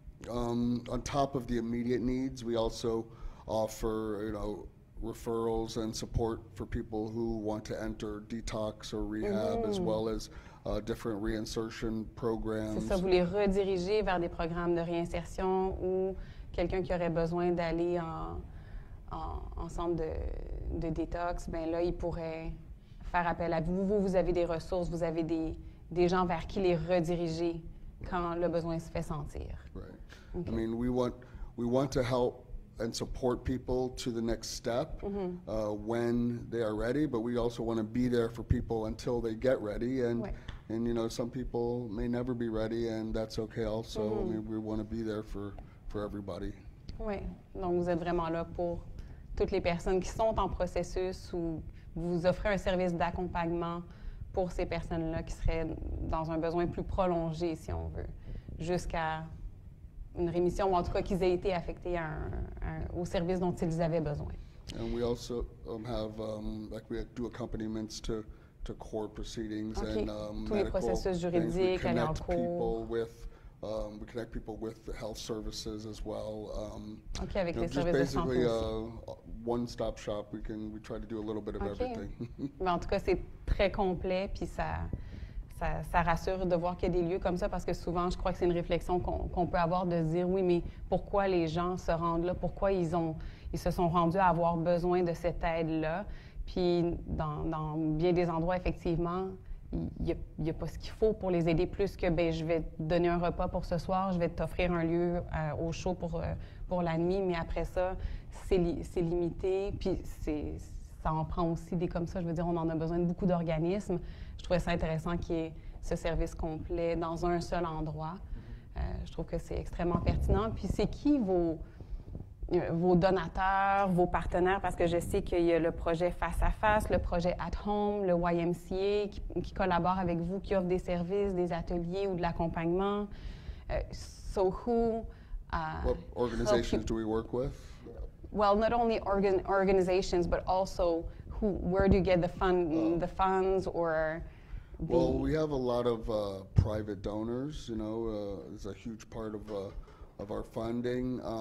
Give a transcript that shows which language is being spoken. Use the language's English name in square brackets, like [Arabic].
[English] On top of the immediate needs, we also offer, you know, referrals and support for people who want to enter detox or rehab, as well as different reinsertion programs. [French] C'est ça, vous les redirigez vers des programmes de réinsertion ou quelqu'un qui aurait besoin d'aller en centre de détox, ben là, il pourrait faire appel à vous. Vous avez des ressources, vous avez des gens vers qui les rediriger quand le besoin se fait sentir. [English] Right. Okay. I mean, we want to help and support people to the next step when they are ready, but we also want to be there for people until they get ready. And, and you know, some people may never be ready, and that's okay also. Mm-hmm. I mean, we want to be there for everybody. [French] Oui, donc vous êtes vraiment là pour toutes les personnes qui sont en processus ou vous offrez un service d'accompagnement pour ces personnes-là qui seraient dans un besoin plus prolongé, si on veut, jusqu'à une rémission ou en tout cas qu'ils aient été affectés au service dont ils avaient besoin. [English] And we also have, like we do accompaniments to court proceedings and [French] tous les processus juridiques, aller en cours. [English] People with We connect people with the health services as well. [French] Okay, avec les services de santé. [English] Just basically a one-stop shop. We try to do a little bit of everything. [French] Mais en tout cas, c'est très complet, puis ça rassure de voir qu'il y a des lieux comme ça, parce que souvent, je crois que c'est une réflexion qu'on peut avoir de se dire, oui, mais pourquoi les gens se rendent là? Pourquoi ils se sont rendus à avoir besoin de cette aide-là? Puis dans bien des endroits, effectivement, il y a pas ce qu'il faut pour les aider plus que ben je vais te donner un repas pour ce soir, je vais t'offrir un lieu au chaud pour la nuit, mais après ça c'est limité, puis ça en prend aussi des comme ça. Je veux dire, on en a besoin de beaucoup d'organismes. Je trouvais ça intéressant qu'il y ait ce service complet dans un seul endroit. Je trouve que c'est extrêmement pertinent. Puis c'est qui vos donateurs, vos partenaires, parce que je sais qu'il y a le projet Face à Face, le projet At Home, le YMCA qui collabore avec vous, qui offre des services, des ateliers ou de l'accompagnement. [English] So who? What organizations do we work with? Well, not only organizations, but also where do you get the funds or? Well, we have a lot of private donors. You know, it's a huge part of our funding.